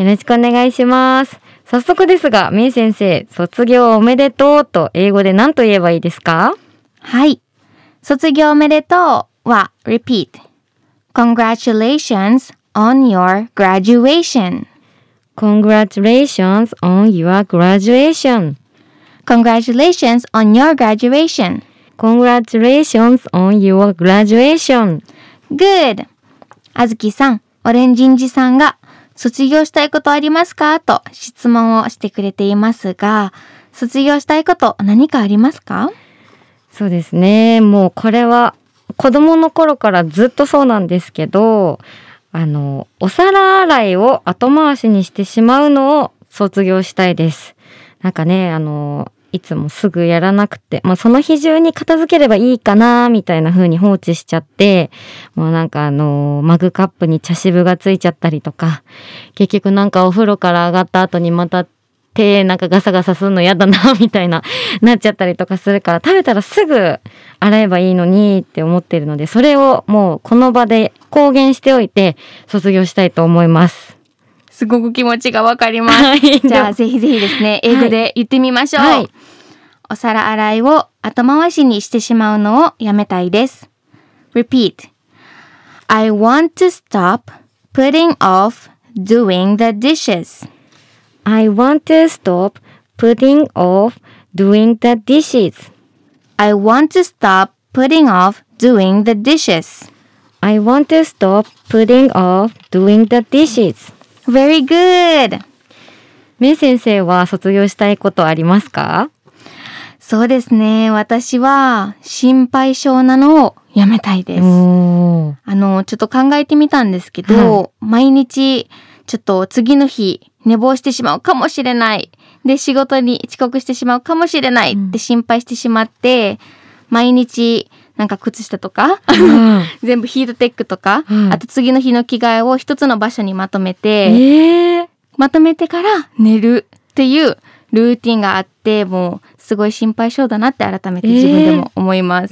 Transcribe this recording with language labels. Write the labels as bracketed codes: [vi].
[ja] よろしくお願いします。早速ですがメイ先生、卒業おめでとうと英語で何と言えばいいですか？はい、卒業おめでとうは [en] Repeat Congratulations on your graduation. Congratulations on your graduation. Congratulations on your graduation. Congratulations on your graduation. Good. [ja] あずきさん、オレンジンジさんが卒業したいことありますか？と質問をしてくれていますが、卒業したいこと何かありますか？そうですね。もうこれは子どもの頃からずっとそうなんですけど、お皿洗いを後回しにしてしまうのを卒業したいです。なんかね、いつもすぐやらなくて、まあ、その日中に片付ければいいかなみたいな風に放置しちゃって、もうなんかマグカップに茶渋がついちゃったりとか、結局なんかお風呂から上がった後にまた手なんかガサガサするのやだなみたいななっちゃったりとかするから、食べたらすぐ洗えばいいのにって思ってるので、それをもうこの場で公言しておいて卒業したいと思います。すごく気持ちがわかります。じゃあぜひぜひですね、英語で言ってみましょう。はい、お皿洗いを後回しにしてしまうのをやめたいです。 [en] Repeat I want to stop putting off doing the dishes I want to stop putting off doing the dishes. I want to stop putting off doing the dishes. I want to stop putting off doing the dishes. Very good. [ja] メイ先生は卒業したいことありますか？そうですね。私は心配性なのをやめたいです。ちょっと考えてみたんですけど、はい、毎日ちょっと次の日寝坊してしまうかもしれないで、仕事に遅刻してしまうかもしれないって心配してしまって、うん、毎日なんか靴下とか、全部ヒートテックとか、あと次の日の着替えを一つの場所にまとめて、まとめてから寝るっていうルーティンがあって、もうすごい心配性だなって改めて自分でも思います。